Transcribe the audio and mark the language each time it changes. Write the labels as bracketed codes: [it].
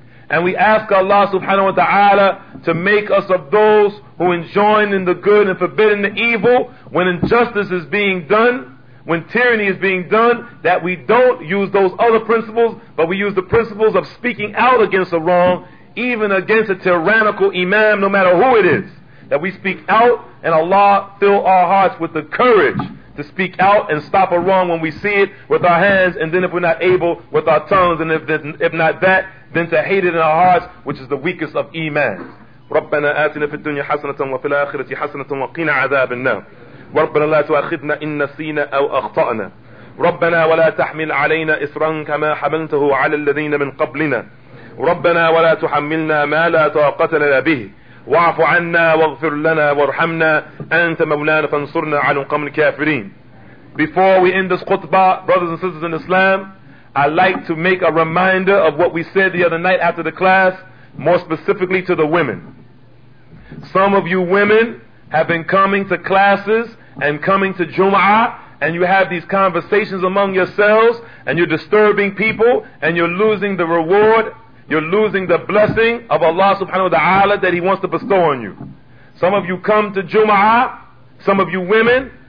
[en] And we ask Allah subhanahu wa ta'ala to make us of those who enjoin in the good and forbidden the evil when injustice is being done, when tyranny is being done, that we don't use those other principles, but we use the principles of speaking out against the wrong, even against a tyrannical imam, no matter who it is, that we speak out, and Allah fill our hearts with the courage to speak out and stop a wrong when we see it with our hands, and then if we're not able, with our tongues, and if not that, then to hate it in our hearts, which is the weakest of imams. [ar] ربنا آتنا في الدنيا حسنة وفي الآخرة حسنة وقنا عذاب النار. ربنا لا تؤاخذنا إن نسينا أو أخطأنا. ربنا ولا تحمل علينا إصرا كما حملته على الذين من قبلنا. ربنا ولا تحملنا ما لا طاقة لنا به. واعف عنا واغفر لنا وارحمنا. أنت مولانا فانصرنا على القوم الكافرين. [en] Before we end this khutbah, brothers and sisters in Islam, I'd like to make a reminder of what we said the other night after the class, more specifically to the women. Some of you women have been coming to classes and coming to Jumu'ah, and you have these conversations among yourselves, and you're disturbing people, and you're losing the reward, you're losing the blessing of Allah subhanahu wa ta'ala that He wants to bestow on you. Some of you come to Jumu'ah, some of you women,